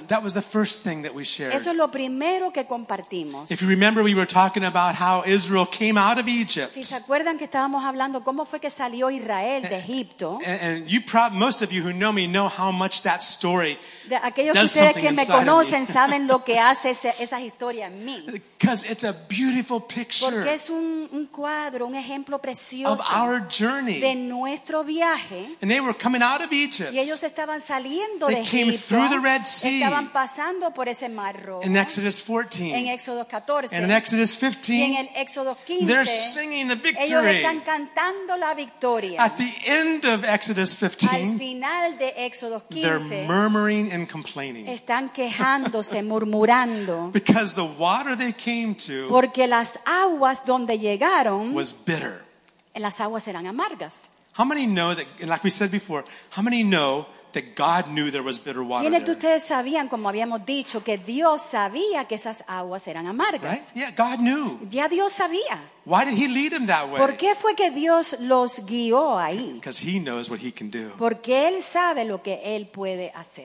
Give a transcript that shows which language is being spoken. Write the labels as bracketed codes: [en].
[en] That was the first thing that we shared. [es] Eso es lo primero que compartimos. [en] If you remember, we were talking about how Israel came out of Egypt. [es] Si se acuerdan que estábamos hablando cómo fue que salió Israel de Egipto. [en] And you probably, most of you who know me know how much that story [es] de aquellos que ustedes que me conocen saben lo que hace esa historia en mí. [en] Because it's a beautiful picture. [es] Porque es un cuadro, un ejemplo precioso [en] of our journey. [es] De nuestro viaje. [en] And they were coming out of Egypt. [es] Y ellos estaban saliendo [en] they [es] de Egipto. [en] They came through the Red Sea. [es] Estaban pasando por ese mar rojo. [en] In Exodus 14. [es] En Éxodo 14. [en] And in Exodus 15. [es] Y en el Éxodo 15. [en] They're singing the victory. [es] Ellos están cantando la victoria. [en] At the end of Exodus 15. [es] Al final de Éxodo 15. [en] They're murmuring and complaining. [es] Están quejándose, murmurando. [en] Because the water they came to [es] porque las aguas donde llegaron [en] was bitter. [es] Las aguas eran amargas. [en] How many know that, like we said before, how many know that God knew there was bitter water? [es] ¿Quiénes de ustedes sabían, como habíamos dicho, que Dios sabía que esas aguas eran amargas? [en] Right? Yeah, God knew. [es] Ya Dios sabía. [en] Why did he lead them that way? [es] ¿Por qué fue que Dios los guió ahí? [en] Because he knows what he can do. [es] Porque él sabe lo que él puede hacer.